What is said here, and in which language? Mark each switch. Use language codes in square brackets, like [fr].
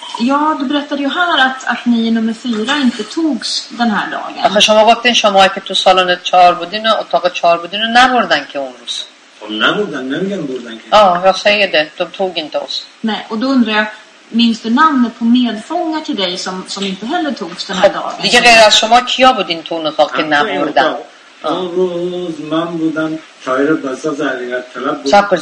[sv] Ja, du berättade ju här att ni nummer 4 inte togs den här dagen. [fa] آخه شما گفتین شما که تو سالن 4 بودین و اتاق 4 بودین و نبردن که اون روز. نبردن، نمیگن بردن که. [sv] Ja, jag säger det. De tog inte oss. Nej, och då undrar jag, minns du namnet på medfångar till dig som inte heller togs den här dagen? [fa] دیگه غیر از شما کیا بود این تو اون اتاق که نبردن؟ اون روز من بودم تاهر بزاز علیت طلب بود.